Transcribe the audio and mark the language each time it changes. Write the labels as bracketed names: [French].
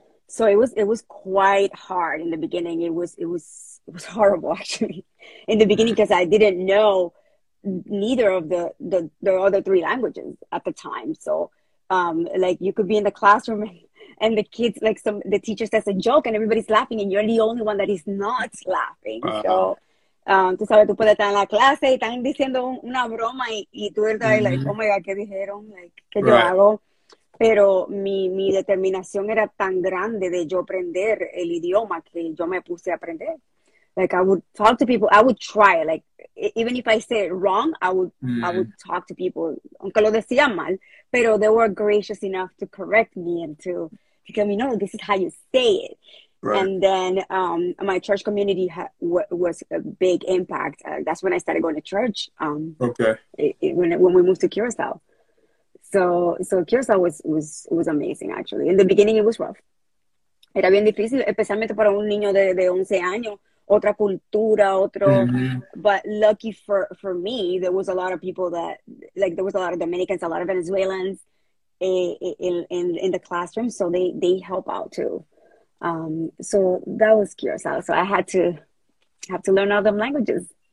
[English] so it was quite hard in the beginning. It was horrible actually in the beginning because I didn't know neither of the other three languages at the time. So like you could be in the classroom and the kids like some the teacher says a joke and everybody's laughing and you're the only one that is not laughing. [Spanish] So tú sabes, tú puedes estar en la clase y están diciendo una broma y tú estás ahí, like, [English] oh my God, [Spanish] ¿qué dijeron? Like, ¿qué yo hago? Pero mi determinación era tan grande de yo aprender el idioma que yo me puse a aprender. [English] Like I would talk to people, I would try, like even if I say it wrong, I would talk to people, [Spanish] aunque lo decía mal, pero [English] they were gracious enough to correct me and to tell me, no, this is how you say it. And then my church community was a big impact. That's when I started going to church, when we moved to Curaçao. So Curaçao was amazing actually. In the beginning it was rough. [Spanish] Era bien difícil, especialmente para un niño de 11 años. Otra cultura, otro. [English] But lucky for me, there was a lot of people that, like, there was a lot of Dominicans, a lot of Venezuelans in the classroom. So they help out too. So that was curious. So I had to have to learn all them languages.